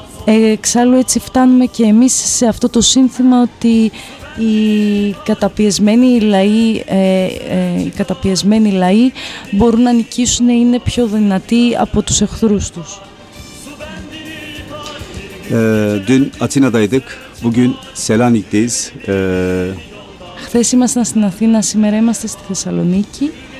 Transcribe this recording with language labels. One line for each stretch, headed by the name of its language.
Greek: Εξάλλου έτσι φτάνουμε και εμείς σε αυτό το σύνθημα ότι οι καταπιεσμένοι λαοί μπορούν να νικήσουν, είναι πιο δυνατοί από τους εχθρούς τους.
Turkish: Dün Atina'daydık, bugün Selanik'teyiz.
Greek: Χθες ήμασταν στην Αθήνα, σήμερα είμαστε στη Θεσσαλονίκη.